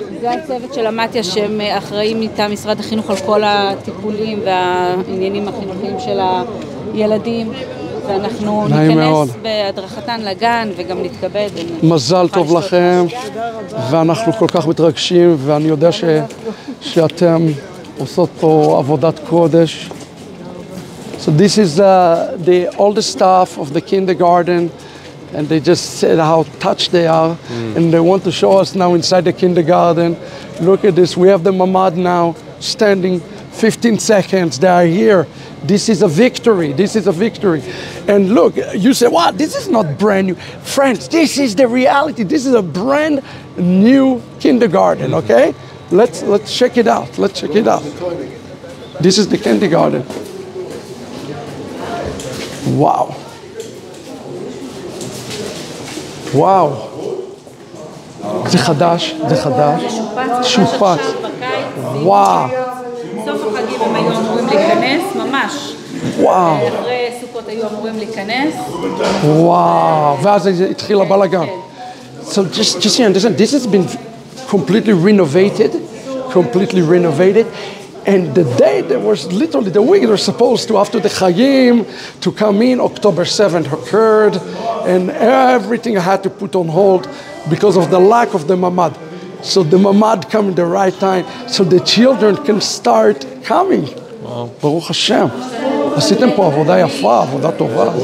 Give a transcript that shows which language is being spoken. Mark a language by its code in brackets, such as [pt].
[he] זה הצוות של המתיה שהם אחראים איתה משרד החינוך על כל הטיפולים והעניינים החינוכיים של הילדים. ואנחנו ניכנס בהדרכתן לגן וגם נתכבד. מזל טוב לכם. ואנחנו כל כך מתרגשים ואני יודע שאתם עושות פה עבודת קודש. [en] So this is the all the staff of the kindergarten and they just said how touched they are and they want to show us now inside the kindergarten. Look at this, we have the mamad now standing 15 seconds, they are here. This is a victory, this is a victory. And look, you say, wow, this is not brand new. Friends, this is the reality, this is a brand new kindergarten, okay? Let's check it out, let's check it out. This is the kindergarten. Wow. Wow. [he] זה חדש, זה חדש. שופץ. וואו. סוף החגים הם היו אמורים להיכנס, ממש. וואו. אחרי סוכות היו אמורים להיכנס. וואו. ואז התחיל הבלגן. [en] So just you understand, this has been completely renovated. Completely renovated. And the day there was literally the week they were supposed to after the Chayim to come in, October 7th occurred and everything I had to put on hold because of the lack of the Mamad. So the Mamad came at the right time so the children can start coming. Wow. [he] Baruch Hashem. עשיתם פה עבודה יפה, עבודה טובה.